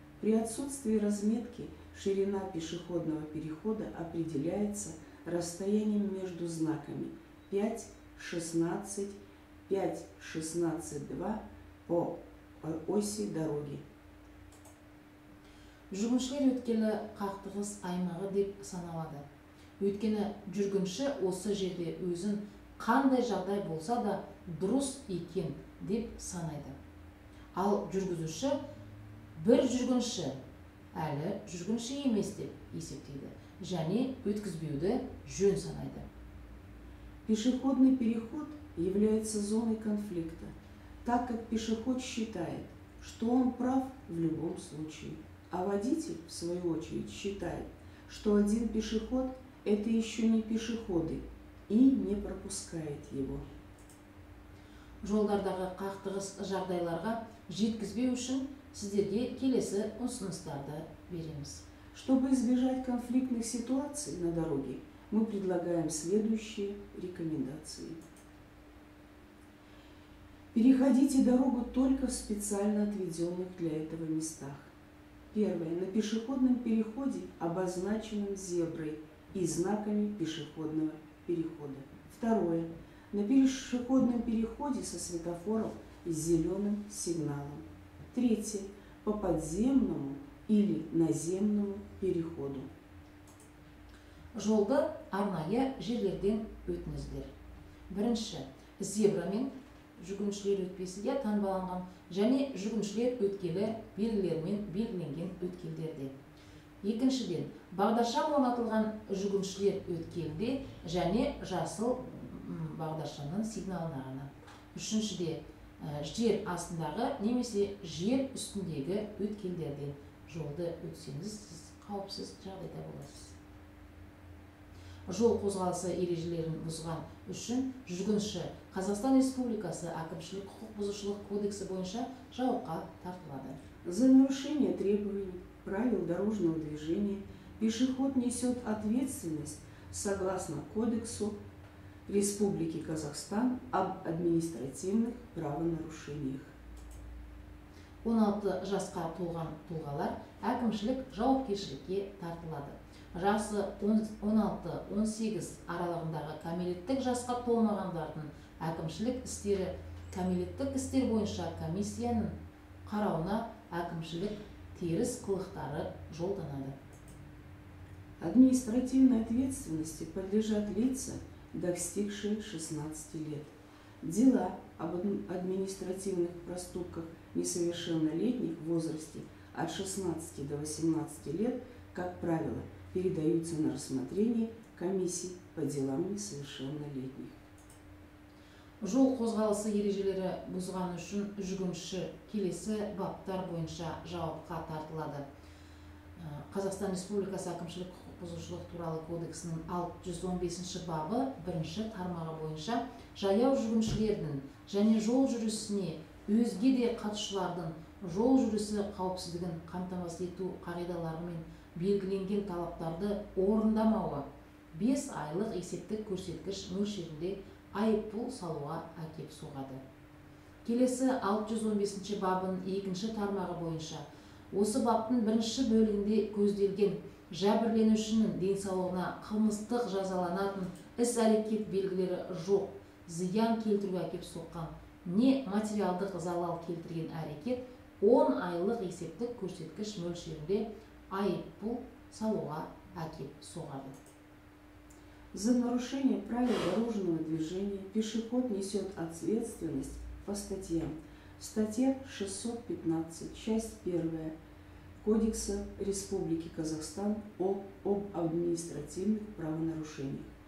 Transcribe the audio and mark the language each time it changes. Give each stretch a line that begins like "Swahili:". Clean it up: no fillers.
Russian: При отсутствии разметки ширина пешеходного перехода определяется расстоянием между знаками 5-16, 5-16-2 по оси дороги.
Kazakh: Жүргіншілер өткелі қақтығыс аймағы деп саналады. Өйткені жүргінші осы жерде өзін қандай жағдай болса да дұрыс екен деп санайды. Ал жүргізуші бір жүргінші әлі жүргінші емес деп есептейді. Және өткізбеуді жөн санайды.
Russian: Пешеходный переход является зоной конфликта, так как пешеход считает, что он прав в любом случае, а водитель, в свою очередь, считает, что один пешеход – это еще не пешеходы, и не пропускает его.
Kazakh: Жолдардағы қақтығыс жағдайларға жеткізбеу үшін сіздерге келесі ұсыныстарды береміз.
Russian: Чтобы избежать конфликтных ситуаций на дороге, мы предлагаем следующие рекомендации. Переходите дорогу только в специально отведенных для этого местах. Первое. На пешеходном переходе, обозначенном зеброй и знаками пешеходного перехода. Второе. На пешеходном переходе со светофором и зеленым сигналом. Третье. По подземному или наземному переходу.
Kazakh: Жолды арнайы жерлерден өтіңіздер. Бірінші, зебрамен жүгіншілер өтпесінде таңбаланған және жүгіншілер өткелі белгілермен белгіленген өткелдерде. Екіншіден, бағдаршам орнатылған жүгіншілер өткелде және жасыл бағдаршамның сигналына ғана. Үшіншіде, жер астындағы немесе жер үстіндегі өткелдерден жолды өтсеңіз, сіз қауіпсіз жағдайда боласыз. Жол қозғалысы ережелерін бұзған үшін жүргінші Қазақстан Республикасы әкімшілік құқық бұзушылық кодексі бойынша жауапқа тартылады.
Russian: За нарушение требований правил дорожного движения пешеход несет ответственность согласно кодексу Республики Казахстан об административных правонарушениях.
Kazakh: 16 жасқа толған тұлғалар әкімшілік жауапкершілікке тартылады. Жасы 16-18 аралығындағы кәмелеттік жасқа толмағандардың әкімшілік істері кәмелеттік істер бойынша комиссияның қарауына әкімшілік теріс қылықтары жолданады.
Russian: Административной ответственности подлежат лица, достигшие 16 лет. Дела об административных проступках несовершеннолетних в возрасте от 16 до 18 лет, как правило, передаются на рассмотрение комиссии по делам несовершеннолетних.
Kazakh: Жол қозғалысы ережелері бұзған үшін жүгінші келесі баптар бойынша жауапқа тартылады. Қазақстан Республикасы әкімшілік құқық бұзушылық туралы кодексінің 615 бабы 1 тармағы бойынша жаяу жүгіншілердің және жол жүрісіне өзге де қатысушылардың жол жүрісі қауіпсіздігін қамтамасыз ету қағидаларымен белгіленген талаптарды орындамауы 5 айлық есептік көрсеткіш мөлшерінде айыппұл салуға әкеп соғады. Келесі 615 бабының 2 тармағы бойынша осы баптың 1 бөлігінде көзделген жәбірленушінің денсаулығына қылмыстық жазаланатын іс-әрекет белгілері жоқ, зиян келтіруге әкеп соққан не материалдық залал келтірген әрекет 10 айлық есептік көрсеткіш мөлшерінде айыппұл салуға әкеп соғады.
Russian: За нарушение правил дорожного движения пешеход несет ответственность по статьям. Статья 615, часть 1 Кодекса Республики Казахстан об административных правонарушениях.